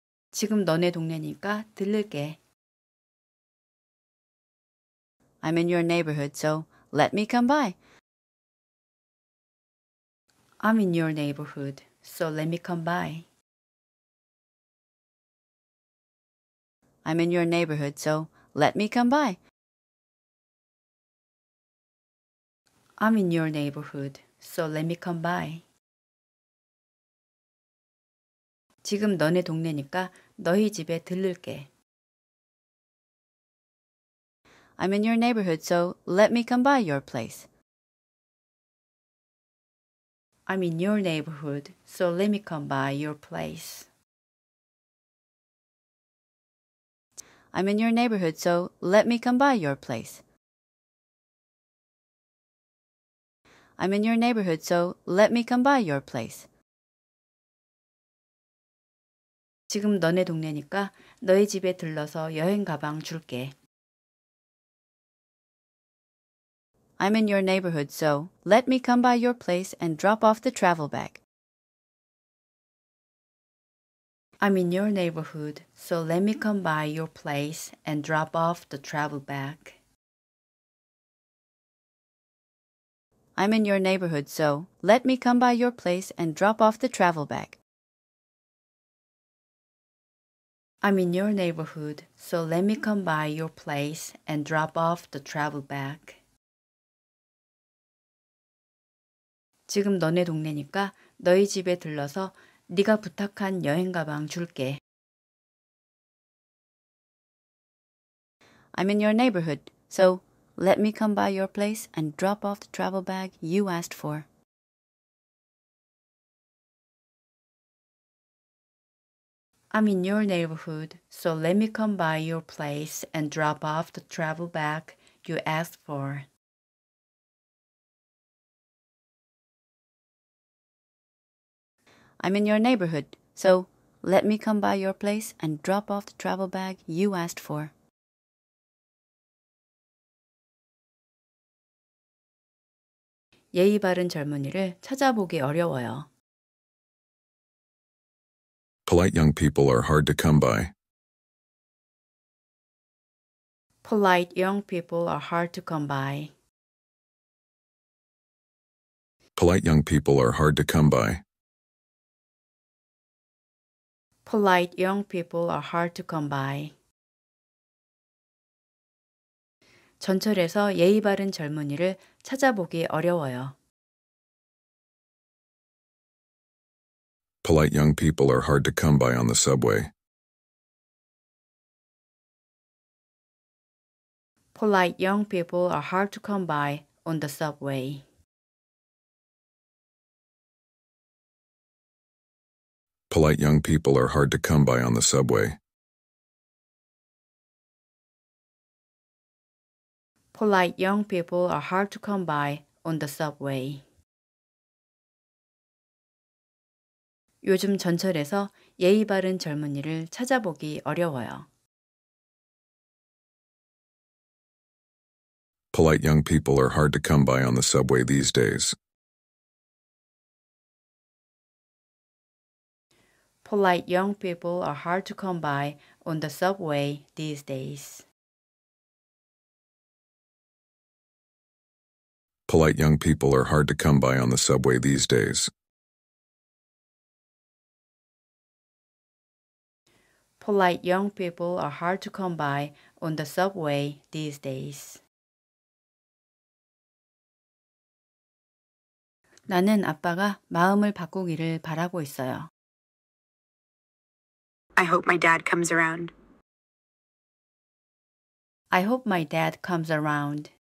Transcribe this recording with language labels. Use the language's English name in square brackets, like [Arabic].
[Korean] 지금 너네 동네니까 들를게. [English] I'm in your neighborhood, so let me come by. I'm in your neighborhood. So let me come by. I'm in your neighborhood, so let me come by. I'm in your neighborhood, so let me come by. [Korean] 지금 너네 동네니까 너희 집에 들를게. [English] I'm in your neighborhood, so let me come by your place. I'm in your neighborhood, so let me come by your place. I'm in your neighborhood, so let me come by your place. I'm in your neighborhood, so let me come by your place. [Korean] 지금 너네 동네니까 너희 집에 들러서 여행 가방 줄게. [English] I'm in your neighborhood, so let me come by your place and drop off the travel bag. I'm in your neighborhood, so let me come by your place and drop off the travel bag. I'm in your neighborhood, so let me come by your place and drop off the travel bag. I'm in your neighborhood, so let me come by your place and drop off the travel bag. [Korean] 지금 너네 동네니까 너희 집에 들러서 네가 부탁한 여행 가방 줄게. [English] I'm in your neighborhood, so let me come by your place and drop off the travel bag you asked for. I'm in your neighborhood, so let me come by your place and drop off the travel bag you asked for. I'm in your neighborhood, so let me come by your place and drop off the travel bag you asked for. [Korean] 예의 바른 젊은이를 찾아보기 어려워요. [English] Polite young people are hard to come by. Polite young people are hard to come by. Polite young people are hard to come by. Polite young people are hard to come by. [Korean] 전철에서 예의 바른 젊은이를 찾아보기 어려워요. [English] Polite young people are hard to come by on the subway. Polite young people are hard to come by on the subway. Polite young people are hard to come by on the subway. Polite young people are hard to come by on the subway. [Korean] 요즘 전철에서 예의 바른 젊은이를 찾아보기 어려워요. [English] Polite young people are hard to come by on the subway these days. Polite young people are hard to come by on the subway these days. Polite young people are hard to come by on the subway these days. Polite young people are hard to come by on the subway these days. [Korean] 나는 아빠가 마음을 바꾸기를 바라고 있어요. [English] I hope my dad comes around. I hope my dad comes around.